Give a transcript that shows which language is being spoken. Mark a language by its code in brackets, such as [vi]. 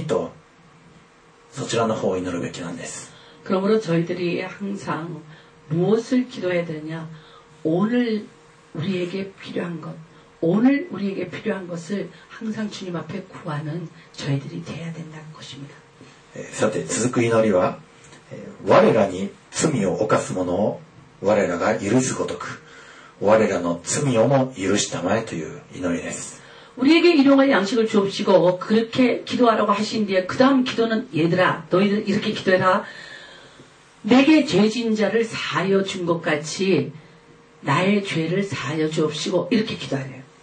[ja] 私たちは一気にですね、物が与えられることを祈るよりもむしろ日ごと主の御言葉が今日必要な命が与えられるようにとそちらの方を祈るべきなんです。 [ko] 그러므로 저희들이 항상 무엇을 기도해야 되냐? 오늘 우리에게 필요한 것. 오늘 우리에게 필요한 것을 항상 주님 앞에 구하는 저희들이 되어야 된다는 것입니다. [ja] 続く祈りは我らに罪を犯す者を我らが許すごとく我らの罪をも許したまえという祈りです. [ko] 우리에게 일용할 양식을 주옵시고 그렇게 기도하라고 하신 뒤에 그 다음 기도는 얘들아 너희들 이렇게 기도해라. 내게 죄진 자를 사하여 준 것 같이 나의 죄를 사하여 주옵시고 이렇게 기도하래요.